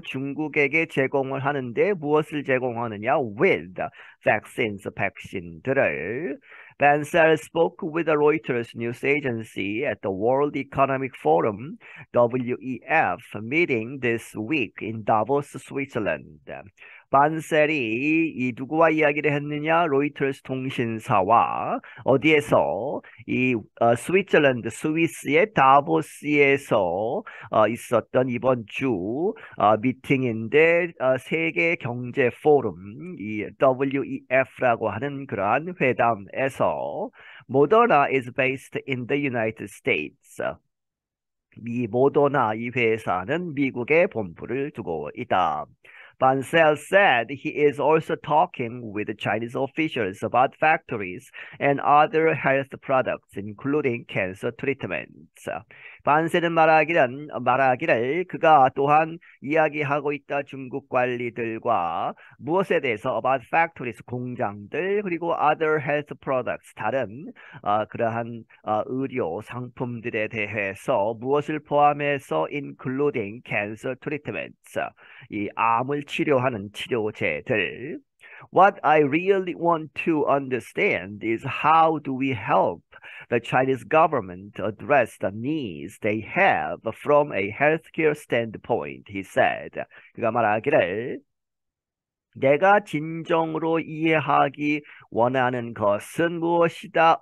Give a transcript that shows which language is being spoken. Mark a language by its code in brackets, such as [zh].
[ko] 중국에게 제공을 하는데 무엇을 제공하느냐? [en] with vaccines, [ko] 백신들을. [en] Bancel spoke with a Reuters news agency at the World Economic Forum (WEF) meeting this week in Davos, Switzerland. [ko] 반셀이 이 누구와 이야기를 했느냐? 로이터스 통신사와 어디에서 이 스위스랜드 스위스의 다보스에서 있었던 이번 주 미팅인데 세계 경제 포럼 이 WEF라고 하는 그러한 회담에서 모더나 [en] is based in the United States. [ko] 이 모더나 이 회사는 미국에 본부를 두고 있다. [en] Bancel said he is also talking with Chinese officials about factories and other health products, including cancer treatments. [ko] 반세는 말하기를 그가 또한 이야기하고 있다. 중국 관리들과 무엇에 대해서 [en] about factories [ko] 공장들 그리고 [en] other health products [ko] 다른 그러한 의료 상품들에 대해서 무엇을 포함해서 [en] including cancer treatments [ko] 이 암을 치료하는 치료제들. [en] What I really want to understand is how do we help the Chinese government address the needs they have from a healthcare standpoint, he said. [ko] 그가 말하기를 내가 진정으로 이해하기 원하는 것은 무엇이다?